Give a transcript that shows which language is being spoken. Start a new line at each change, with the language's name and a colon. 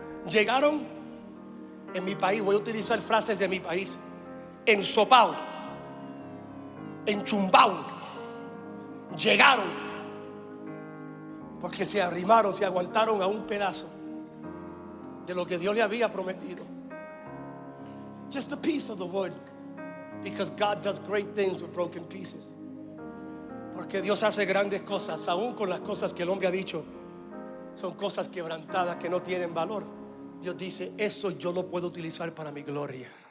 Spanish: Llegaron en mi país. Voy a utilizar frases de mi país. Ensopao. Enchumbao. Llegaron. Porque se arrimaron, se aguantaron a un pedazo de lo que Dios le había prometido.
English: Just a piece of the word. Because God does great things with broken pieces.
Spanish: Porque Dios hace grandes cosas, aún con las cosas que el hombre ha dicho son cosas quebrantadas, que no tienen valor. Dios dice, eso yo lo puedo utilizar para mi gloria.